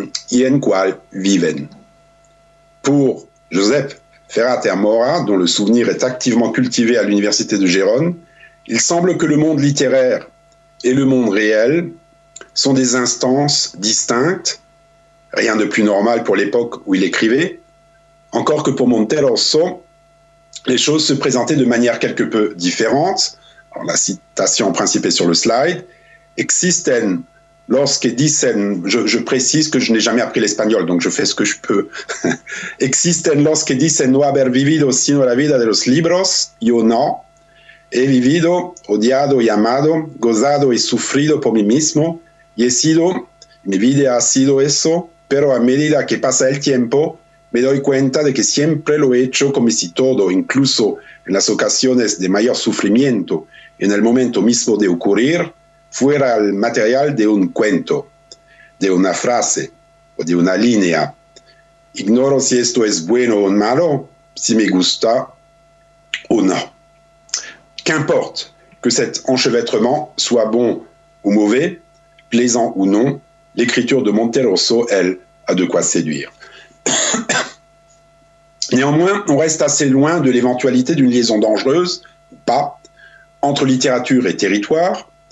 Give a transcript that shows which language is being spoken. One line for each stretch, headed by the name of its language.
Spanish: y en cual viven.
French: » Pour Joseph Ferrate Amora, dont le souvenir est activement cultivé à l'université de Gérone, il semble que le monde littéraire et le monde réel sont des instances distinctes, rien de plus normal pour l'époque où il écrivait, encore que pour Monterosso, les choses se présentaient de manière quelque peu différente. Alors, la citation en principe est sur le slide.
Spanish: Existen,
French: lorsque
Spanish: dicen,
French: je précise que je n'ai jamais appris l'espagnol, donc je fais ce que je peux.
Spanish: Existen los que dicen no haber vivido sino la vida de los libros, yo no. He vivido, odiado y amado, gozado y sufrido por mí mismo, y he sido, mi vida ha sido eso, pero a medida que pasa el tiempo, me doy cuenta de que siempre lo he hecho como si todo, incluso en las ocasiones de mayor sufrimiento, en el momento mismo de ocurrir, fuera el material de un cuento, de una frase o de una línea. Ignoro si esto es bueno o malo, si me gusta o no.
French: Qu'importe que cet enchevêtrement soit bon ou mauvais, plaisant ou non, l'écriture de Monterosso, elle, a de quoi séduire. Néanmoins, on reste assez loin de l'éventualité d'une liaison dangereuse, ou pas, entre littérature et territoire.